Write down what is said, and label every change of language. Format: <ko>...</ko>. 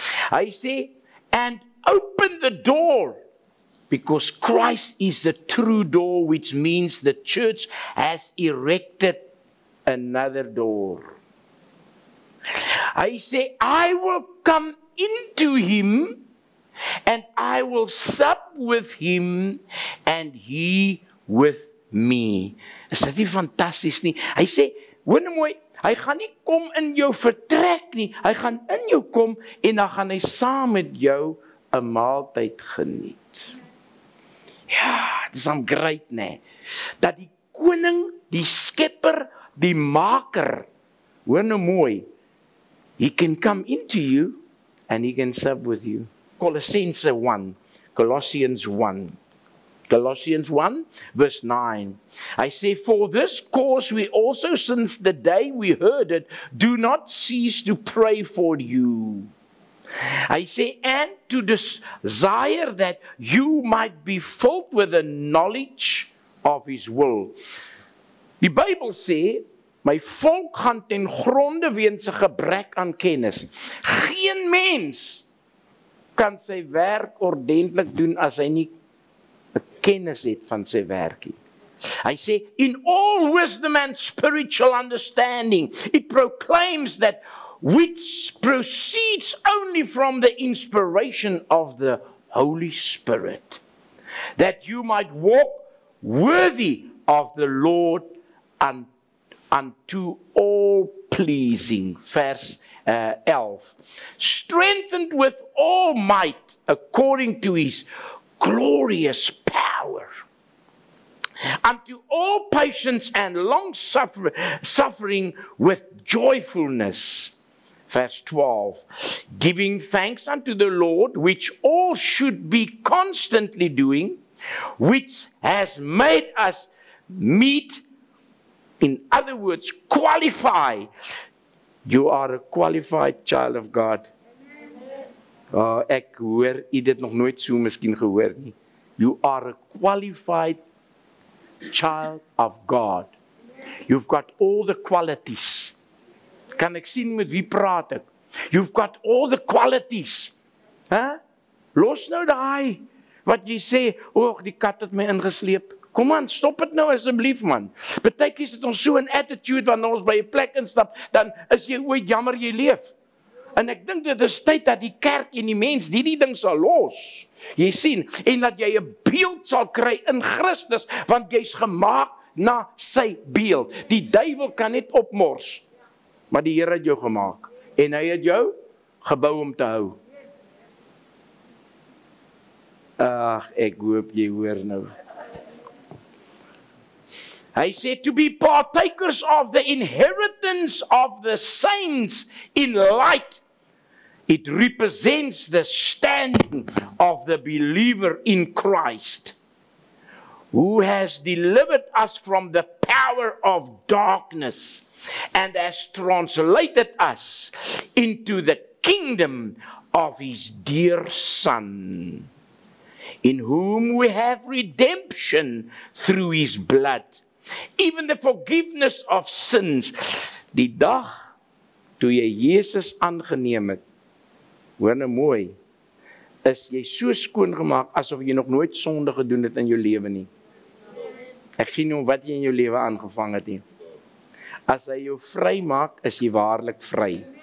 <af>Hy sê,</af> <en>and open the door, because Christ is the true door, which means the church has erected another door. I say, I will come into him, and I will sup with him, and he with me.</en> <af>Is dit nie fantasties nie? Hy sê, hoor nou mooi, hy gaan nie kom in jou vertrek nie, hy gaan in jou kom, en dan gaan hy saam met jou 'n maaltyd geniet. Ja, dit is omgryd, nee, dat die koning, die skepper, die maker, hoor nou mooi,</af> <en>he can come into you, and he can serve with you. Colossense 1, Colossians 1, Colossians 1, verse 9, I say, for this cause we also, since the day we heard it, do not cease to pray for you. I say, and to desire that you might be filled with the knowledge of his will.</en> <af>Die Bybel sê, my volk gaan ten gronde weens 'n gebrek aan kennis. Geen mens kan sy werk ordentlik doen as hy nie 'n kennis het van sy werkie.</af> <en>I say, in all wisdom and spiritual understanding, it proclaims that which proceeds only from the inspiration of the Holy Spirit, that you might walk worthy of the Lord and unto all pleasing. Verse 11. Strengthened with all might according to his glorious power. unto all patience and long suffering with joyfulness. Verse 12, giving thanks unto the Lord, which all should be constantly doing, which has made us meet, in other words, qualify. You are a qualified child of God.</en> <af>Ek hoor, jy dit nog nooit so miskien gehoor nie.</af> <en>You are a qualified child of God. You've got all the qualities.</en> <af>Kan ek sien met wie praat ek?</af> <en>You've got all the qualities. Huh?</en> <af>Los nou daai, wat jy sê, oog, die kat het my ingesleep. Kom aan, stop het nou asseblief, man. Betekies het ons so een attitude, wanneer ons by een plek instap, dan is jy ooit jammer jy leef. En ek dink dit is tyd dat die kerk en die mens die die ding sal los. Jy sien, en dat jy 'n beeld sal kry in Christus, want jy is gemaak na sy beeld. Die duivel kan net opmors, maar die Heer het jou gemaak. En hy het jou gebou om te hou. Ach, ek hoop jy hoor nou. Hy sê,</af> <en>to be partakers of the inheritance of the saints in light. It represents the standing of the believer in Christ, who has delivered us from the power of darkness and has translated us into the kingdom of his dear Son, in whom we have redemption through his blood, even the forgiveness of sins.</en> <af>Die dag toe jy Jesus aangeneem het, hoor nou mooi, is jy so skoon gemaak, asof jy nog nooit sonde gedoen het in jou lewe nie. Ek gee nie om wat jy in jou lewe aangevang het nie. As hy jou vry maak, is jy waarlik vry.</af>